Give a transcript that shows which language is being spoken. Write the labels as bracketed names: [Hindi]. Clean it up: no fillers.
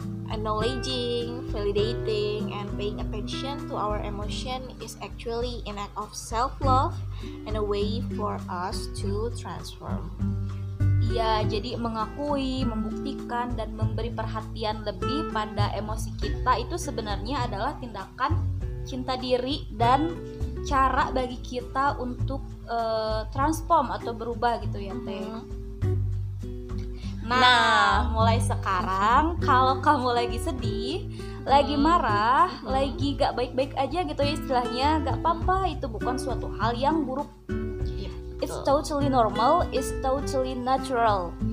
[English] Acknowledging, validating, and paying attention to our emotion is actually an act of self-love and a way for us to transform. [Indonesian] Iya, jadi mengakui, membuktikan, dan memberi perhatian lebih pada emosi kita itu sebenarnya adalah tindakan cinta diri dan cara bagi kita untuk transform atau berubah gitu ya, Teh. Nah, mulai sekarang kalau kamu lagi sedih, lagi marah, lagi gak baik-baik aja gitu ya istilahnya, gak apa-apa, itu bukan suatu hal yang buruk. [English] It's totally normal, it's totally natural.